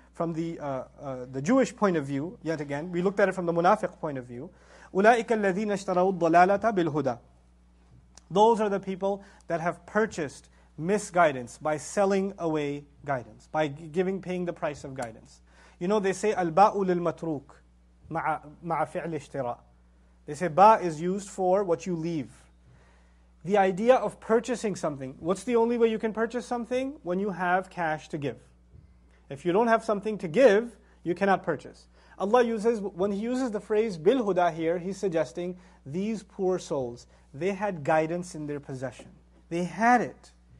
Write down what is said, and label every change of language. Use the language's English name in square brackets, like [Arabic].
[English] from the Jewish point of view, yet again, we looked at it from the Munafiq point of view. [Arabic] أُولَٰئِكَ الَّذِينَ اشْتَرَوُوا الضَّلَالَةَ بِالْهُدَىٰ. [English] Those are the people that have purchased misguidance by selling away guidance, by giving, paying the price of guidance. You know, they say [Arabic] الْبَاءُ لِلْمَتْرُوكُ مَعَ فِعْلِ اشْتِرَىٰ. [English] They say ba is used for what you leave. The idea of purchasing something, what's the only way you can purchase something? When you have cash to give. If you don't have something to give, you cannot purchase. Allah uses, when He uses the phrase bilhuda here, He's suggesting these poor souls, they had guidance in their possession. They had it.